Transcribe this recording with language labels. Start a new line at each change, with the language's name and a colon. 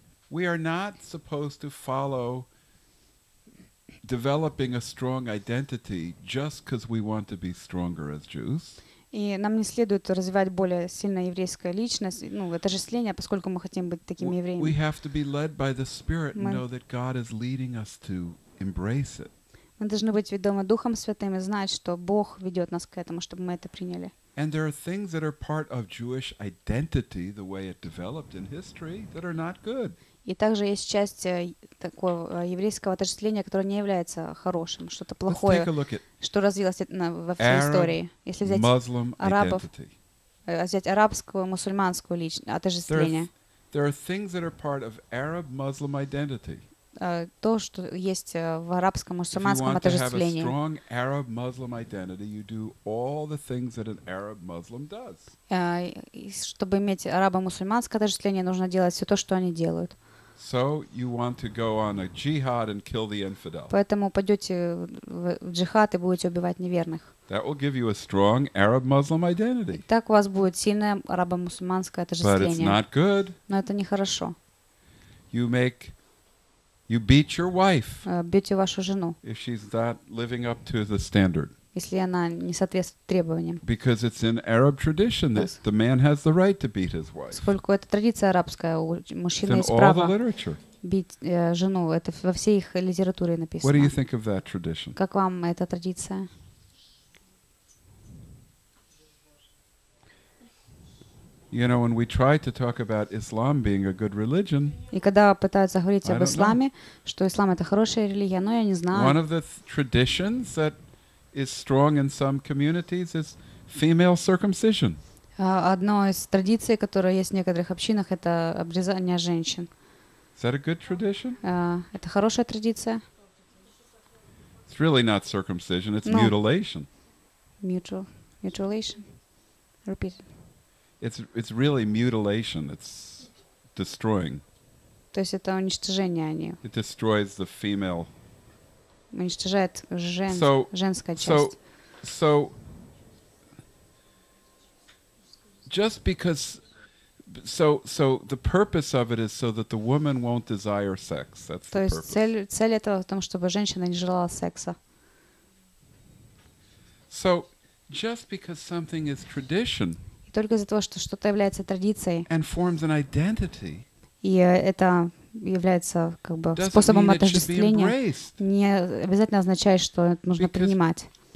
English: We are not supposed to follow developing a strong identity just because we want to be stronger as Jews.
Russian: И нам не следует развивать более сильную еврейскую личность, ну, отождествление, поскольку мы хотим быть такими евреями.
English: We have to be led by the Spirit and know that God is leading us to embrace it.
Russian: Мы должны быть ведомы Духом Святым и знать, что Бог ведет нас к этому, чтобы мы это приняли.
English: And there are things that are part of Jewish identity, the way it developed in history, that are not good.
Russian: И также есть часть такого еврейского отождествления, которое не является хорошим, что-то плохое, что развилось во всей истории. Если взять Muslim арабов, взять арабскую, мусульманскую личность, отождествление.
English: There are things that are part of Arab-Muslim identity.
Russian: То, что есть в арабском, мусульманском отождествлении.
English: If you want to have a strong Arab-Muslim identity, you do all the things that an Arab-Muslim does.
Russian: Чтобы иметь арабо-мусульманское отождествление, нужно делать все то, что они делают.
English: So you want to go on a jihad and kill the infidel.
Russian: Поэтому пойдете в джихад и будете убивать неверных.
English: That will give you a strong Arab-Muslim identity.
Russian: Так у вас будет сильное арабо-мусульманское отождествление.
English: But it's not good.
Russian: Но это нехорошо.
English: You beat your wife.
Russian: Бьете вашу жену.
English: If she's not living up to the standard.
Russian: Если она не соответствует требованиям.
English: Because it's in Arab tradition that the man has the right to beat his wife.
Russian: Сколько это традиция арабская, у мужчины есть право.
English: In all the literature.
Russian: Бить жену, это во всей их литературе написано.
English: What do you think of that tradition?
Russian: Как вам эта традиция?
English: You know, when we try to talk about Islam being a good religion,
Russian: и когда пытаются говорить об исламе, что ислам это хорошая религия, но я не знаю.
English: One of the traditions that is strong in some communities is female circumcision.
Russian: Одно из традиций, которая есть в некоторых общинах, это обрезание женщин.
English: Is that a good tradition?
Russian: Это хорошая традиция.
English: It's really not circumcision, it's mutilation. Mutilation. Repeat it. It's really mutilation. It's destroying.
Russian: То есть это уничтожение, а не.
English: It destroys the female.
Russian: Уничтожает женская часть.
English: So just because so the purpose of it is so that the woman won't desire sex. That's the purpose.
Russian: То есть цель этого в том, чтобы женщина не желала секса.
English: So just because something is tradition.
Russian: Только из-за того, что что-то является традицией,
English: and forms an identity,
Russian: и это является как бы способом отождествления, не обязательно означает, что это нужно принимать.